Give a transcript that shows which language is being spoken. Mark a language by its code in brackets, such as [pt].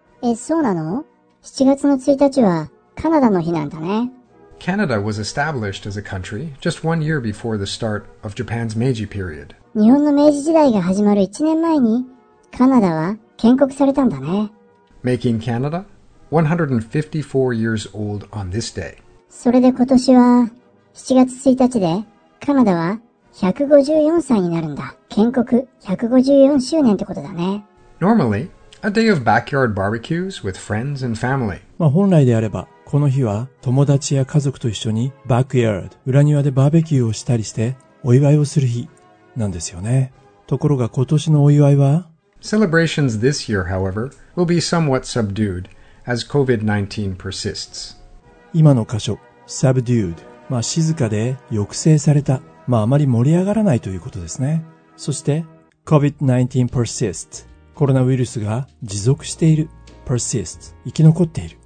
[ja] え、そうなの?7月の1日はカナダの日なんだね。 [en] Canada was established as a country just 1 year before the start of Japan's Meiji period. [ja] 日本の明治時代が始まる1年前にカナダは建国されたんだね。 [en] Making Canada 154 years old on this day. [ja] それで今年は7月1日でカナダは154歳になるんだ。建国154周年ってことだね。 [en] Normally, a day of backyard barbecues with friends and family. [ja] まあ本来であれば、この日は友達や家族と一緒に backyard、裏庭でバーベキューをしたりしてお祝いをする日なんですよね。ところが今年のお祝いは [en] Celebrations this year, however, will be somewhat subdued as COVID-19 persists. [ja] 今の箇所、subdued、まあ静かで抑制された。まああまり盛り上がらないということですね。 [en] そして COVID-19 persists。 [ja] コロナウイルスが持続している persists 生き残っている。